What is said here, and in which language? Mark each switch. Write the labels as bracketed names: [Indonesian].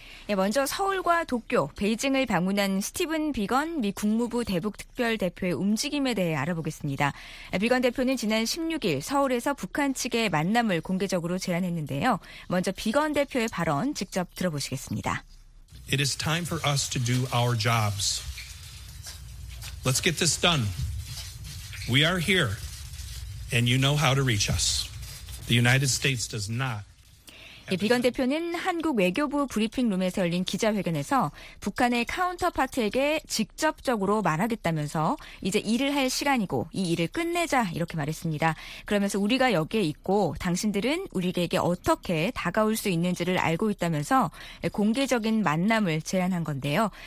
[Korean] 네, 먼저 서울과 도쿄, 베이징을 방문한 스티븐 비건 미 국무부 대북특별대표의 움직임에 대해 알아보겠습니다. 비건 대표는 지난 16일 서울에서 북한 측의 만남을 공개적으로 제안했는데요. 먼저 비건 대표의 발언 직접 들어보시겠습니다. [English] It is time for us to do our jobs. Let's get this done. We are here, and you know how to reach us. The United States does not. [Korean] 예, 비건 대표는 한국 외교부 브리핑룸에서 열린 기자회견에서 북한의 카운터파트에게 직접적으로 말하겠다면서 이제 일을 할 시간이고 이 일을 끝내자 이렇게 말했습니다. 그러면서 우리가 여기에 있고 당신들은 우리에게 어떻게 다가올 수 있는지를 알고 있다면서 공개적인 만남을 제안한 건데요.